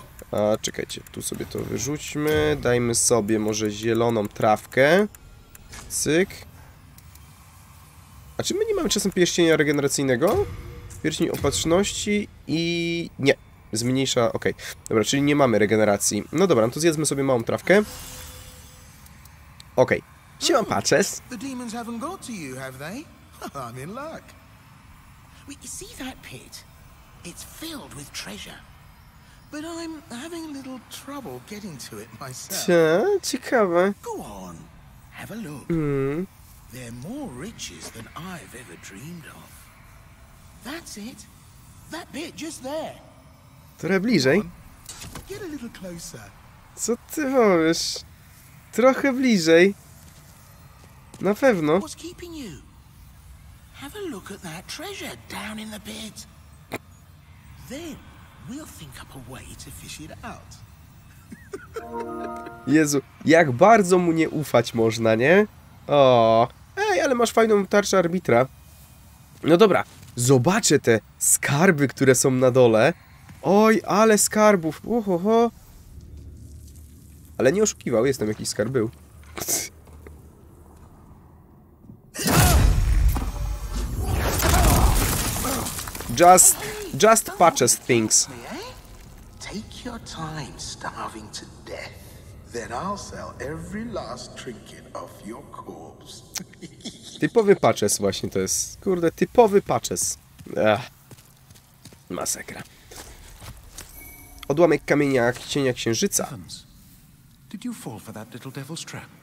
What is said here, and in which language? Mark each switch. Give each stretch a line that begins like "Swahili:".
Polish: A, czekajcie, tu sobie to wyrzućmy. Dajmy sobie może zieloną trawkę. Cyk. A czy my nie mamy czasem pierścienia regeneracyjnego? Pierścień opatrzności i... Nie. Zmniejsza... Okej. Okay. Dobra, czyli nie mamy regeneracji. No dobra, no to zjedzmy sobie małą trawkę. Okej. Okay. Siema, Patches.
English: The demons haven't got to you, have they? I'm in luck. You see that pit? It's filled with treasure. But I'm having a little trouble getting to it myself.
Polish: Co? Ciekawe.
English: Go on. Have a look. There are more riches than I've ever dreamed of. That's it. That bit just there.
Polish: Trochę bliżej.
English: Get a little closer.
Polish: Co ty mówisz? Trochę bliżej. Na pewno.
English: What's keeping you? Have a look at that treasure down in the pit. Then we'll think up a way to fish it out.
Polish: Jezu, jak bardzo mu nie ufać można, nie? O. Ej, ale masz fajną tarczę arbitra. No dobra, zobaczę te skarby, które są na dole. Oj, ale skarbów. Uhoho. Ale nie oszukiwał, jestem jakiś skarb był.
English: Just patches things. Take your time starving to death. Then I'll sell every last trinket of your corpse.
Polish: Typowy patches właśnie to jest. Kurde, typowy patches. Ech. Masakra. Odłamek kamienia cienia księżyca.
English: Did you fall for that little devil's trap?